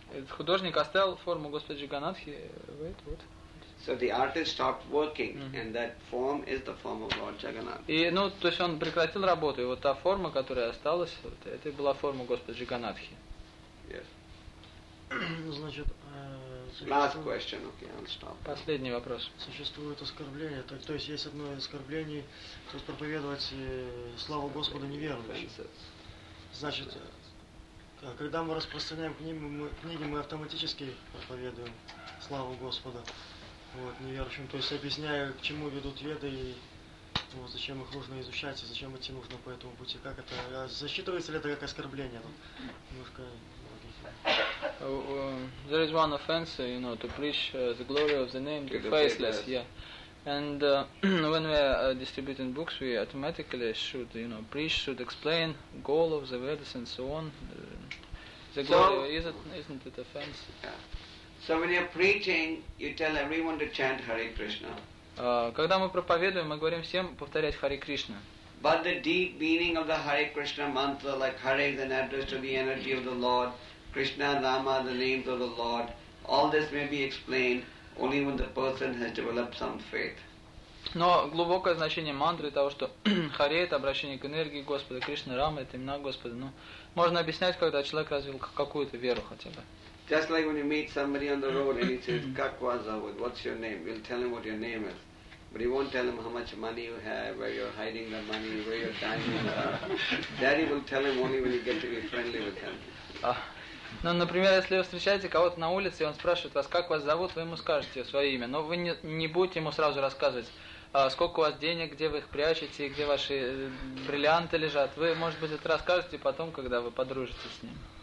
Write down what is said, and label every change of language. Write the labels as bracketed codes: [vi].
[ru] Художник оставил форму Господа Джаганнатхи. [en] So the artist stopped working, and that form is the form of Lord Jagannath. [ru] То есть он прекратил работу, и вот та форма, которая осталась, вот, это и была форма Господа Джаганнатхи. [en] Yes. [ru] Значит, [en] Last question, okay, I'll stop. [ru] Последний вопрос. Существует оскорбление, то есть есть одно из оскорблений, то есть проповедовать славу Господа неверующим. Значит, когда мы распространяем книги, мы автоматически проповедуем славу Господа неверующим. То есть объясняю, к чему ведут веды, и зачем их нужно изучать, и зачем идти нужно по этому пути. Как это? Засчитывается ли это как оскорбление? Немножко логично. [en] There is one offense, you know, to preach the glory of the name, the faceless, yeah. And when we are distributing books, we automatically should, you know, preach, should explain goal of the Vedas and so on. Isn't it offense? Yeah. So when you're preaching, you tell everyone to chant Hare Krishna. [ru] Когда мы проповедуем, мы говорим всем повторять Hare Krishna. [en] But the deep meaning of the Hare Krishna mantra, like Hare is an address to the energy of the Lord, Krishna, Rama, the names of the Lord, all this may be explained only when the person has developed some faith. [ru] Но глубокое значение мантры того, что Харе это обращение к энергии Господа, Кришна, Рама это имена Господа, можно объяснять, когда человек развил какую-то веру хотя бы. [en] Just like when you meet somebody on the road and he says, [ru] "Как вас зовут? [en] What's your name?" You'll tell him what your name is, but he won't tell him how much money you have, where you're hiding the money, where your diamonds are. That he will tell him only when you get to be friendly with him. [ru] Например, если вы встречаете кого-то на улице, и он спрашивает вас, как вас зовут, вы ему скажете свое имя, но вы не будете ему сразу рассказывать, сколько у вас денег, где вы их прячете, где ваши бриллианты лежат. Вы, может быть, это расскажете потом, когда вы подружитесь с ним.